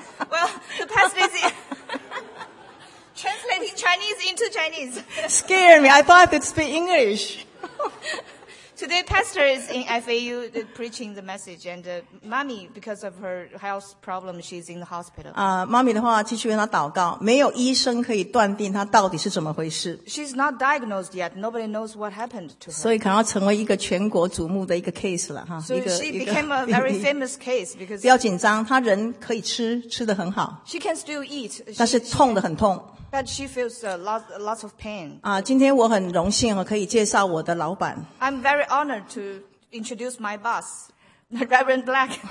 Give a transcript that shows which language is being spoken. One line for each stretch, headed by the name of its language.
English: Well, the pastor is translating Chinese into Chinese. Scare me! I thought they'd speak English. Today, pastor is in FAU preaching the message, and mommy, because of her health problem, she's in the hospital.
Chinese: Mommy 的话继续为她祷告，没有医生可以断定她到底是怎么回事。
English: She's not diagnosed yet. Nobody knows what happened to her.
Chinese: 所以可能要成为一个全国瞩目的一个 case 了哈。
English: So she became a very famous case because
Chinese: 不要紧张，她人可以吃，吃得很好。
English: She can still eat.
Chinese: 但是痛得很痛。
English: But she feels lots of pain.
Chinese: 今天我很荣幸可以介绍我的老板。
English: I'm very honored to introduce my boss, Reverend Black.